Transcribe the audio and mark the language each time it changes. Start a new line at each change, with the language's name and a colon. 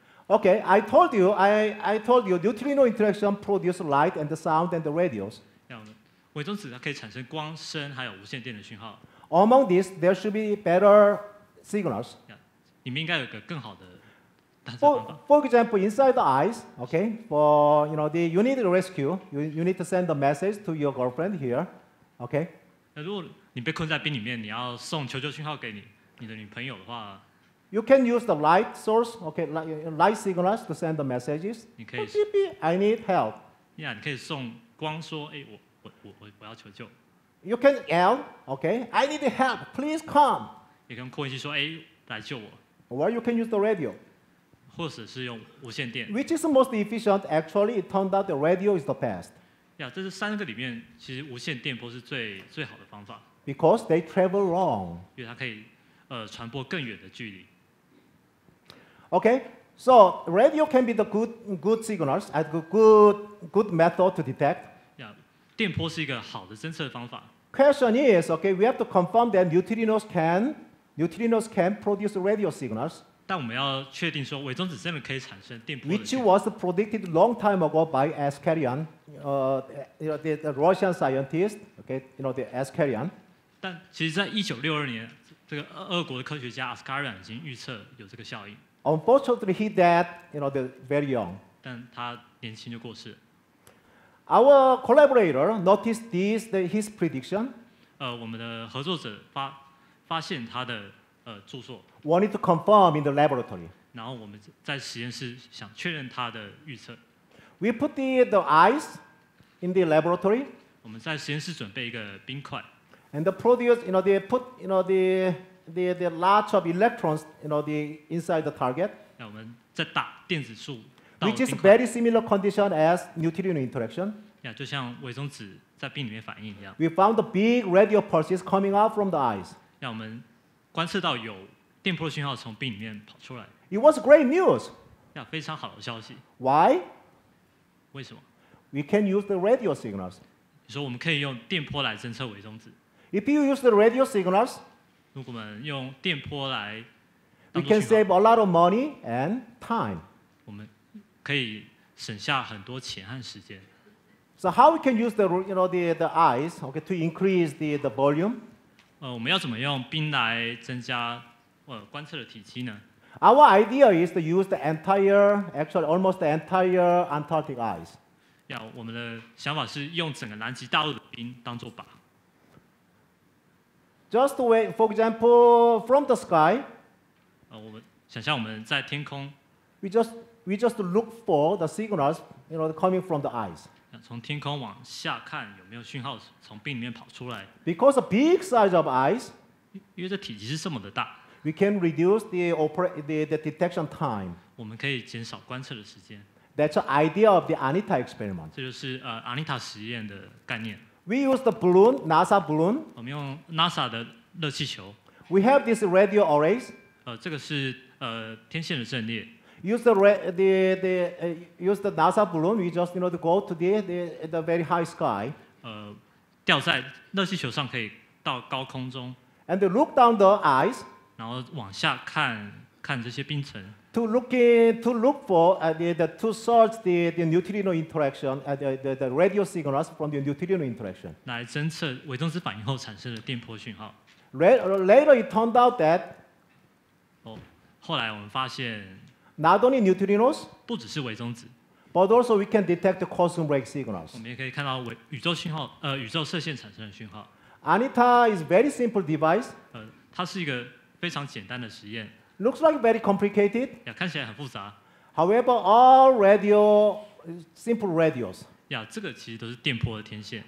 English: Okay, I told you, I told you, neutrino interaction produce light and the sound and the radios.
Chinese: 微中子它可以产生光、声还有无线电的讯号。
English: Among these, there should be better signals.
Chinese: 你们应该有个更好的。
English: For example, inside the ice, okay, for you know, you need a rescue. You need to send a message to your girlfriend here, okay?
Chinese: 如果你被困在冰里面，你要送求救信号给你的女朋友的话
English: ，You can use the light source, okay, light signals to send the messages.
Chinese: 你可以
English: ，Baby, I need help.
Chinese: Yeah, 你可以送光说，我要求救。
English: You can yell, okay, I need help, please come.
Chinese: 你可以哭泣说，来救我。
English: Or you can use the radio.
Chinese: 或者是用无线电
English: ，Which is most efficient? Actually, it turned out the radio is the best.
Chinese: 这是三个里面，其实无线电波是最好的方法。
English: Because they travel long.
Chinese: 因为它可以传播更远的距离。
English: Okay, so radio can be the good signals as good method to detect.
Chinese: 电波是一个好的侦测方法。
English: Question is, okay, we have to confirm that neutrinos can produce radio signals.
Chinese: 但我们要确定说，微中子真的可以产生电波的。
English: Which was predicted long time ago by Askarian, the Russian scientist, okay, you know, the Askarian.
Chinese: 但其实，在1962年，这个俄国的科学家 Askarian 已经预测有这个效应。
English: Unfortunately, he died, you know, very young.
Chinese: 但他年轻就过世。
English: Our collaborator noticed this, his prediction.
Chinese: 我们的合作者发现他的。住所。
English: We need to confirm in the laboratory.
Chinese: 然后我们在实验室想确认他的预测。
English: We put the ice in the laboratory.
Chinese: 我们在实验室准备一个冰块。
English: And the produce, you know, they put, you know, the lots of electrons, you know, the inside the target.
Chinese: 那我们再打电子束。
English: Which is very similar condition as neutrino interaction.
Chinese: 就像微中子在冰里面反应一样。
English: We found the big radio pulses coming out from the ice.
Chinese: 我们观测到有电波讯号从冰里面跑出来。
English: It was great news.
Chinese: 非常好的消息。
English: Why?
Chinese: 为什么
English: ？We can use the radio signals.
Chinese: 你说我们可以用电波来侦测微中子。
English: If you use the radio signals,
Chinese: 如果我们用电波来We
English: can save a lot of money and time.
Chinese: 我们可以省下很多钱和时间。
English: So how we can use the, you know, the ice, okay, to increase the volume?
Chinese: 我们要怎么用冰来增加观测的体积呢？
English: Our idea is to use the entire, actually almost the entire Antarctic ice.
Chinese: 我们的想法是用整个南极大陆的冰当作靶。
English: Just wait, for example, from the sky.
Chinese: 我们想象我们在天空。
English: We just look for the signals, you know, coming from the ice.
Chinese: 从天空往下看有没有讯号从冰里面跑出来。
English: Because the big size of ice.
Chinese: 因为这体积是这么的大。
English: We can reduce the detection time.
Chinese: 我们可以减少观测的时间。
English: That's the idea of the ANITA experiment.
Chinese: 这就是ANITA 实验的概念。
English: We use the balloon, NASA balloon.
Chinese: 我们用 NASA 的热气球。
English: We have this radio arrays.
Chinese: 这个是天线的阵列。
English: Use the NASA balloon. We just, you know, go to the very high sky.
Chinese: 吊在热气球上可以到高空中。
English: And they look down the ice.
Chinese: 然后往下看看这些冰层。
English: To search the neutrino interaction at the radio signals from the neutrino interaction.
Chinese: 来侦测微中子反应后产生的电波讯号。
English: Later it turned out that.
Chinese: 后来我们发现。
English: Not only neutrinos.
Chinese: 不只是微中子。
English: But also we can detect the quantum break signals.
Chinese: 我们也可以看到宇宙讯号，宇宙射线产生的讯号。
English: ANITA is very simple device.
Chinese: 它是一个非常简单的实验。
English: Looks like very complicated.
Chinese: 看起来很复杂。
English: However, all radio, simple radios.
Chinese: 这个其实都是电波的天线。